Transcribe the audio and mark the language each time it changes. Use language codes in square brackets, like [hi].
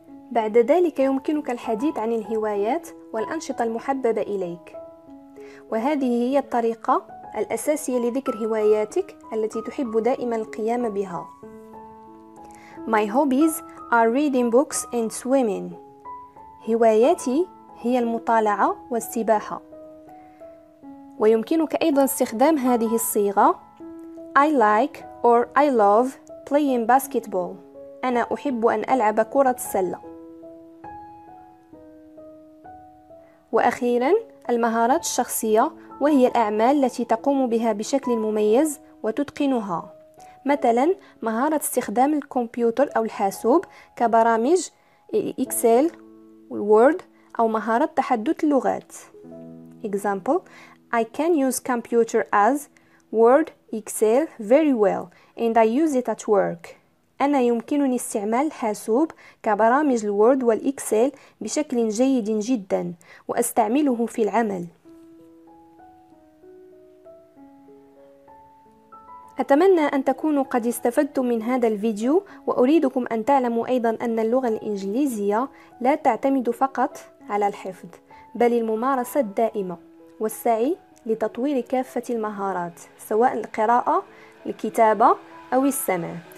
[ar] بعد ذلك يمكنك الحديث عن الهوايات والأنشطة المحببة إليك، وهذه هي الطريقة الأساسية لذكر هواياتك التي تحب دائما القيام بها. [en] My hobbies are reading books and swimming. [ar] هواياتي هي المطالعة والسباحة. ويمكنك أيضا استخدام هذه الصيغة [en] I like or I love playing basketball. [ar] أنا أحب أن ألعب كرة السلة. وأخيراً المهارات الشخصية، وهي الأعمال التي تقوم بها بشكل مميز وتتقنها، مثلاً مهارة استخدام الكمبيوتر أو الحاسوب كبرامج إكسل والوورد، أو مهارة تحدث اللغات. [en] Example: I can use computer as Word, Excel very well and I use it at work. [ar] أنا يمكنني استعمال الحاسوب كبرامج الوورد والإكسل بشكل جيد جدا وأستعمله في العمل. أتمنى أن تكونوا قد استفدتم من هذا الفيديو، وأريدكم أن تعلموا أيضا أن اللغة الإنجليزية لا تعتمد فقط على الحفظ، بل الممارسة الدائمة والسعي لتطوير كافة المهارات، سواء القراءة، الكتابة أو السمع.